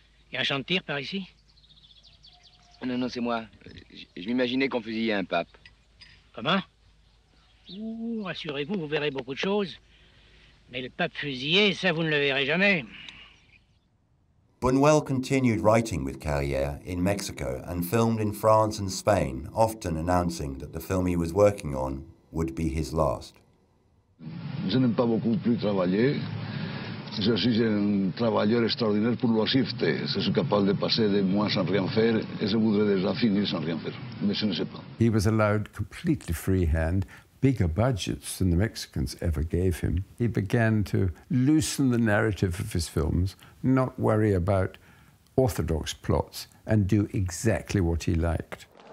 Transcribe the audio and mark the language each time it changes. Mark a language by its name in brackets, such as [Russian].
[French] Il y a un champ de tir par ici? Non, non, c'est moi. Je m'imaginais qu'on fusillait un pape. Comment? Ouh, rassurez-vous, vous verrez beaucoup de choses. Mais le pape fusillé, ça, vous ne le verrez jamais. [English] Buñuel continued writing with Carrière in Mexico and filmed in France and Spain, often announcing that the film he was working on would be his last. [French] Je n'aime pas beaucoup plus travailler. Je suis un travailleur extraordinaire pour l'oisiveté. Je suis capable de passer des mois sans rien faire et je voudrais déjà finir sans rien faire. Mais je ne sais pas. [English] He was allowed completely free hand, bigger budgets than the Mexicans ever gave him. He began to loosen the narrative of his films, not worry about orthodox plots, and do exactly what he liked.